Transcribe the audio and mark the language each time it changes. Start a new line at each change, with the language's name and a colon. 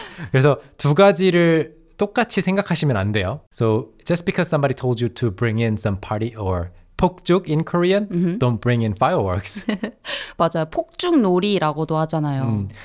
Korean: 그래서 두 가지를 똑같이 생각하시면 안 돼요.
English: So just because somebody told you to bring in some party or 폭죽 in Korean, mm-hmm. don't bring in fireworks.
Korean: 맞아요. 폭죽 놀이라고도 하잖아요.